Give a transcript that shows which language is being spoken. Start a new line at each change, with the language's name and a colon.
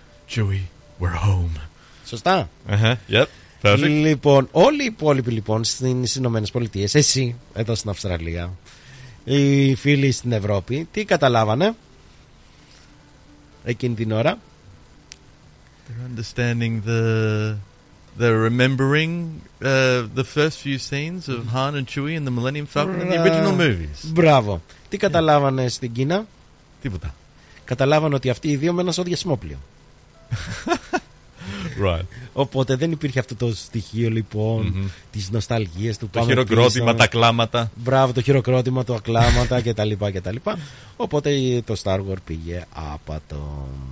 English: Chewie, we're home.
Greek: Σωστά.
English: Yep,
Greek: λοιπόν, όλοι οι υπόλοιποι λοιπόν στις Ηνωμένες Πολιτείες, εσύ εδώ στην Αυστραλία, οι φίλοι στην Ευρώπη, τι καταλάβανε εκείνη την ώρα?
English: They're understanding the... They're remembering the first few scenes of Han and Chewie in the Millennium Falcon in the original movies.
Greek: Μπράβο. Τι καταλάβανε στην Κίνα? Τίποτα. Καταλάβανε ότι αυτοί οι δύο με ένα σώδιο διασημόπλιο.
English: Right.
Greek: Οπότε δεν υπήρχε αυτό το στοιχείο λοιπόν της νοσταλγίας του. Το χειροκρότημα, τα κλάματα. Μπράβο, το χειροκρότημα, το ακλάματα κτλ. Οπότε το Star Wars πήγε άπατο.